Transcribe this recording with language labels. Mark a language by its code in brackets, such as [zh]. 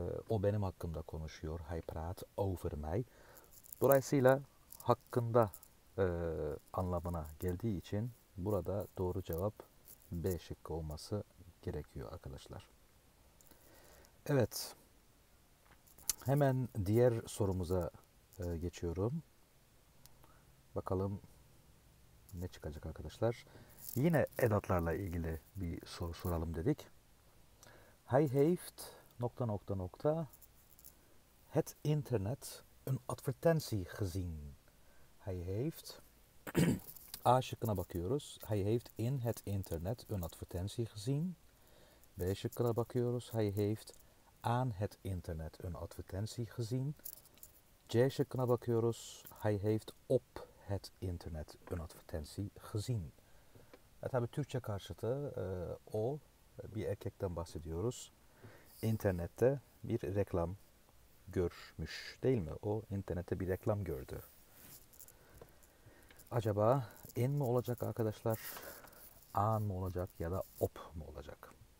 [tr] O benim hakkımda konuşuyor. [nl] Hij praat over mij. [tr] Dolayısıyla hakkında anlamına geldiği için burada doğru cevap B şıkkı olması gerekiyor arkadaşlar. Evet. Hemen diğer sorumuza geçiyorum. Bakalım ne çıkacak arkadaşlar. Yine edatlarla ilgili bir soru soralım dedik. [nl] Hij heeft [tr] nokta nokta nokta [nl] het internet een advertentie gezien. Hij heeft [tr] A şıkkına bakıyoruz. [nl] Hij heeft in het internet een advertentie gezien. [tr] B şıkkına bakıyoruz. [nl] Hij heeft aan het internet een advertentie gezien. [tr] C şıkkına bakıyoruz. [nl] Hij heeft op het internet een advertentie gezien. [tr] Tabii Türkçe karşıtı o, bir erkekten bahsediyoruz. İnternette bir reklam görmüş değil mi? O internette bir reklam gördü. Acaba in mi olacak arkadaşlar? An mı olacak ya da op mu olacak?